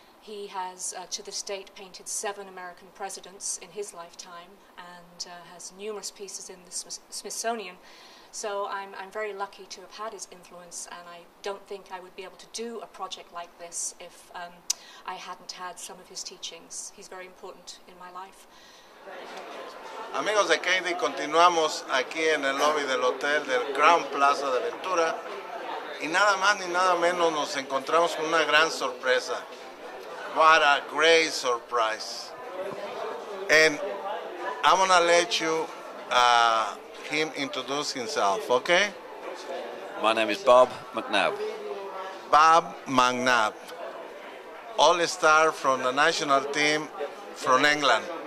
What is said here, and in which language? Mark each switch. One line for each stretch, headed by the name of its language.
English: He has, to this date, painted 7 American presidents in his lifetime and has numerous pieces in the Smithsonian. So I'm very lucky to have had his influence, and I don't think I would be able to do a project like this if I hadn't had some of his teachings. He's very important in my life.
Spanish: Amigos de Katie, continuamos aquí en el lobby del hotel del Crown Plaza de Ventura y nada más ni nada menos nos encontramos con una gran sorpresa.
English: What a great surprise. And I'm going to let you him introduce himself, okay? My name is Bob McNabb. Bob McNabb, all-star from the national team from England.